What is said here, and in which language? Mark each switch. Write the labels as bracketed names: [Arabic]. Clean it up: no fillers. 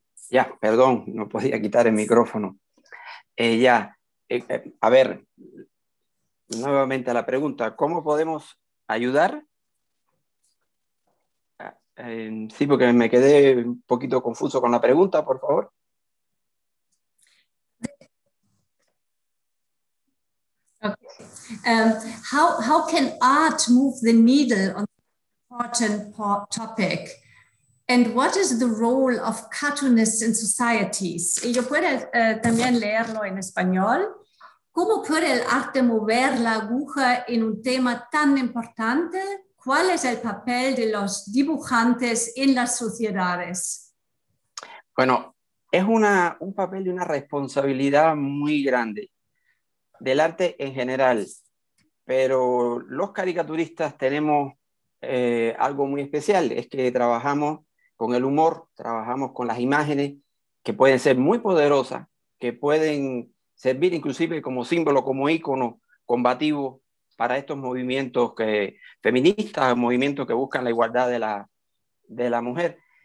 [Spanish] Ya, yeah, perdón, no podía quitar el micrófono. A ver, nuevamente la pregunta, ¿cómo podemos ayudar? Sí, porque me quedé un poquito confuso con la pregunta, por favor. [English] How can art move the needle on this important topic? And what is the role of cartoonists in societies? [Spanish] Y yo puedo también leerlo en español. ¿Cómo puede el arte mover la aguja en un tema tan importante? ¿Cuál es el papel de los dibujantes en las sociedades? Bueno, es un papel y una responsabilidad muy grande del arte en general, pero los caricaturistas tenemos algo muy especial, es que trabajamos con el humor, trabajamos con las imágenes que pueden ser muy poderosas, que pueden servir inclusive como símbolo, como ícono combativo para estos movimientos feministas, movimientos que buscan la igualdad de la mujer.